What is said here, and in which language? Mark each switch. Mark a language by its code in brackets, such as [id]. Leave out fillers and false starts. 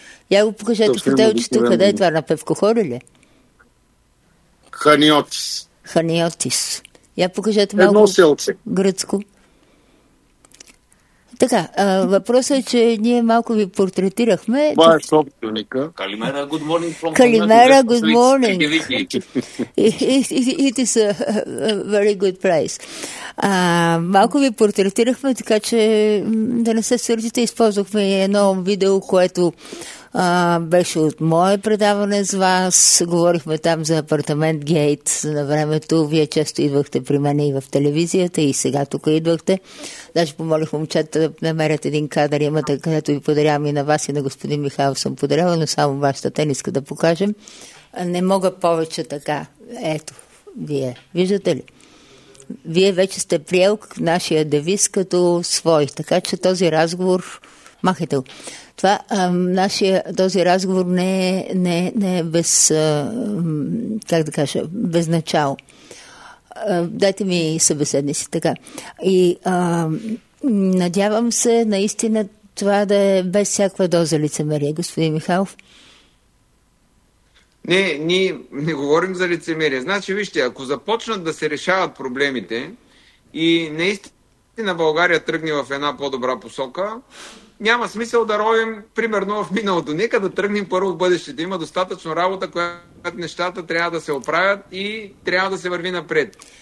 [bg] Я го покажете хотелчето, къде е това, на Певко Хори ли? Ханиотис. Ханиотис. Я покажете малко гръцко. Така, въпросът е, че ние малко ви портретирахме. Това е собственика. Калимера, [en] good morning. [bg] Калимера, [en] good morning. It is a very good price. [bg] Малко ви портретирахме, така че да не се сърдите, използвахме едно видео, което беше от мое предаване с вас. Говорихме там за апартамент Гейт на времето. Вие често идвахте при мен и в телевизията, и сега тук идвахте. Даже помолих момчета да намерят един кадър, имате, където ви подарявам и на вас, и на господин Михайлов съм подарява, но само вашата тениска да покажем. Не мога повече така. Ето, вие. Виждате ли? Вие вече сте приел нашия девиз като свой. Така че този разговор... Махайте го. Това, нашия, този разговор не е без, как да кажа, без начало. Дайте ми събеседници така. И надявам се наистина това да е без всякаква доза лицемерие, господин Михайлов. Не, ние не говорим за лицемерие. Значи, вижте, ако започнат да се решават проблемите и наистина България тръгне в една по-добра посока... Няма смисъл да ровим примерно в миналото. Нека да тръгнем първо в бъдещето. Има достатъчно работа, която нещата трябва да се оправят и трябва да се върви напред.